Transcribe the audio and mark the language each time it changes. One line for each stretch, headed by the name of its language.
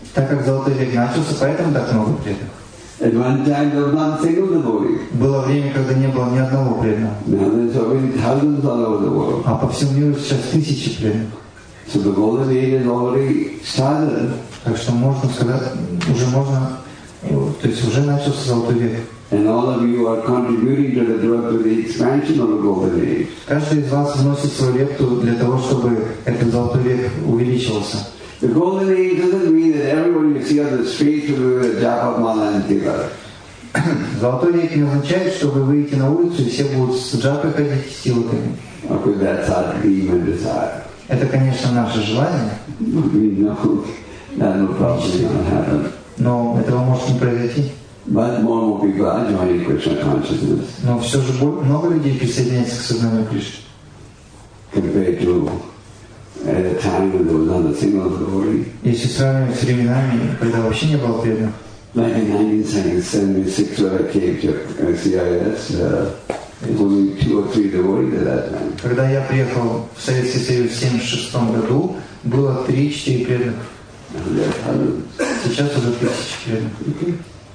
Russian: Так как золотой век начался, поэтому так много преданных.
English: At one time there was not a single devotee.
Russian: Было время, когда не было ни одного преданного.
English: Now there's already thousands all over the world.
Russian: А по всему миру сейчас тысячи преданных.
English: So the golden age has already started.
Russian: Так что можно сказать, уже можно, то есть уже начался золотой век.
English: And all of you are contributing to the growth of the expansion of the golden age.
Russian: Каждый из вас вносит свою лепту для того, чтобы этот золотой век увеличивался.
English: The golden age doesn't mean that everyone you see on the street will be a japa mala and tila.
Russian: Золотой век не означает, что вы выйдете на улицу и все будут с джапой ходить и с тилками.
English: Okay, that's our dream and desire.
Russian: Это, конечно, наше желание.
English: We know that will probably not happen.
Russian: Но этого может не произойти.
English: But more and more people are joining Krishna consciousness.
Russian: Но все же много людей присоединяется к сознанию Кришны.
English: Compared to at a time when there was not a single devotee.
Russian: Если сравнивать с временами, когда вообще не было преданных.
English: Like in 1976, when I came to CIS, only two or three devotees at that time.
Russian: Когда я приехал в Советский Союз в 76 году, было 3-4 преданных. Сейчас уже тысячи преданных.